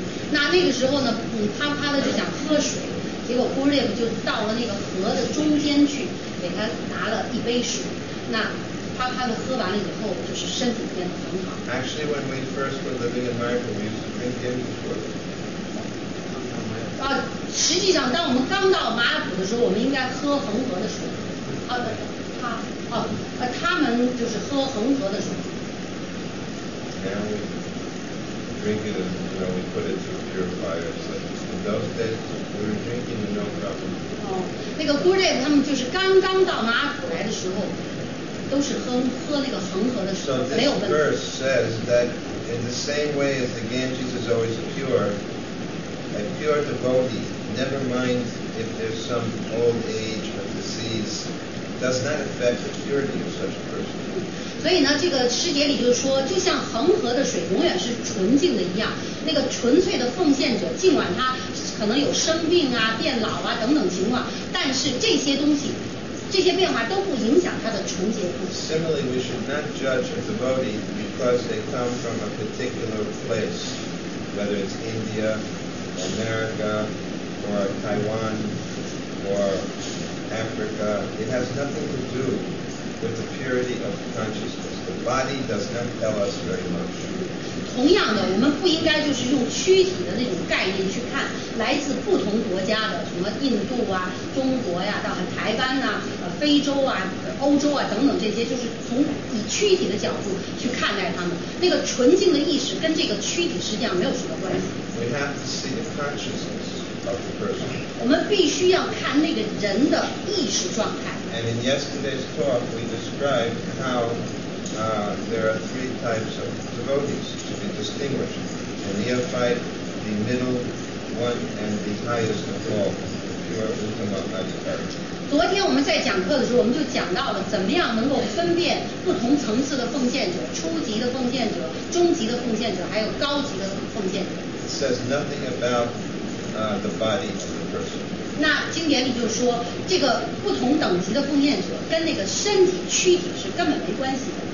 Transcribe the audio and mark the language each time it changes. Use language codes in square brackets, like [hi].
[zh] 那那个时候呢，啪啪的就想喝水，结果 Gurudev 就到了那个河的中间去，给他拿了一杯水。那啪啪的喝完了以后，就是身体变得很好。 [en] Actually, when we first were living in Maripo, we used to drink Ganges water. [zh] 啊，实际上当我们刚到马普的时候，我们应该喝恒河的水。啊，不，他，哦、啊，他们就是喝恒河的水。 [en] Now we drink it and you know, we put it through purifiers. In those days, we were drinking with no problem. [zh] Oh, 那个 Gurudev 他们就是刚刚到马普来的时候，都是喝那个恒河的水，没有问题。 [en] So this verse says that in the same way as the Ganges is always pure, a pure devotee, never mind if there's some old age or disease, does not affect the purity of such a person. [zh] 所以呢，这个师姐里就说，就像恒河的水永远是纯净的一样，那个纯粹的奉献者，尽管他可能有生病啊、变老啊等等情况，但是这些东西、这些变化都不影响他的纯洁。 [en] Similarly, we should not judge a devotee because they come from a particular place, whether it's India, America, or Taiwan, or Africa. It has nothing to do. With the purity of consciousness, the body does not tell us very much. [zh] 同样的，我们不应该就是用躯体的那种概念去看来自不同国家的，什么印度啊、中国呀、啊、到台湾呐、啊、非洲啊、欧洲啊等等这些，就是从以躯体的角度去看待他们。那个纯净的意识跟这个躯体实际上没有什么关系。 [en] We have to see the consciousness of the person. [zh] 我们必须要看那个人的意识状态。 [en] And in yesterday's talk, we described how there are three types of devotees to be distinguished. The neophyte, the middle one, and the highest of all, the pure Uttama Adhikari. [zh] 昨天我们在讲课的时候，我们就讲到了怎么样能够分辨不同层次的奉献者，初级的奉献者，中级的奉献者，还有高级的奉献者。 [en] It says nothing about the body of the person. [zh] 那经典里就说，这个不同等级的奉献者跟那个身体躯体是根本没关系的。